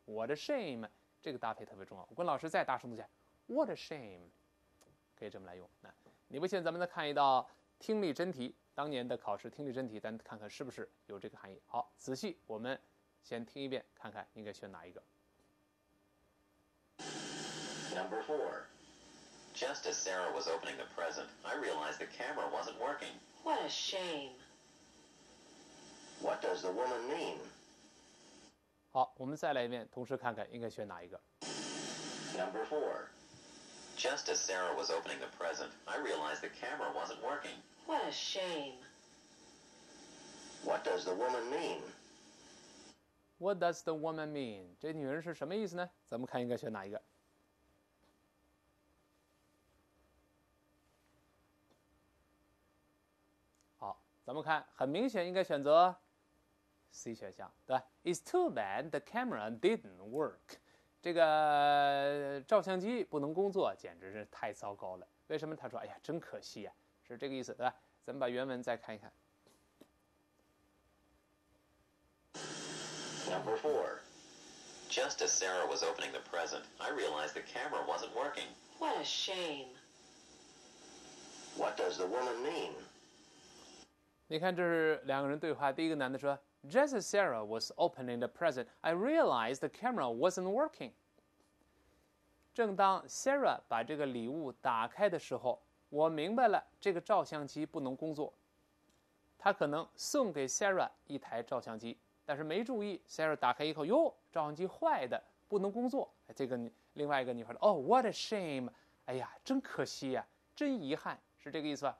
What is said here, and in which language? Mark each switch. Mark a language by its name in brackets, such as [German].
[Chinese] What a shame，这个搭配特别重要。我跟老师再大声读一下 ，What a shame， 可以这么来用。那你不信，咱们再看一道听力真题，当年的考试听力真题，咱看看是不是有这个含义。好，仔细我们先听一遍，看看应该选哪一个。 [English] Number four. Just as Sarah was opening the present, I realized the camera wasn't working. What a shame. What does the woman mean? [Chinese] 好，我们再来一遍，同时看看应该选哪一个。 [English] Number four. Just as Sarah was opening the present, I realized the camera wasn't working. What a shame. What does the woman mean? What does the woman mean? [Chinese] 这女人是什么意思呢？咱们看应该选哪一个。咱们看，很明显应该选择 C 选项，对吧 ？ It's too bad the camera didn't work. 这个照相机不能工作，简直是太糟糕了。为什么？他说：“哎呀，真可惜呀、啊，是这个意思，对吧？” 咱们把原文再看一看。 [English] Number four. Just as Sarah was opening the present, I realized the camera wasn't working. What a shame. What does the woman mean? [Chinese] 你看，这是两个人对话。 [English] 第一个男的说 ：“Just as Sarah was opening the present, I realized the camera wasn't working。” [Chinese] 正当 Sarah 把这个礼物打开的时候，我明白了这个照相机不能工作。他可能送给 Sarah 一台照相机，但是没注意 Sarah 打开以后，哟，照相机坏的，不能工作。这个另外一个女孩说：“哦 ， What a shame！哎呀，真可惜呀、啊，真遗憾，是这个意思吧？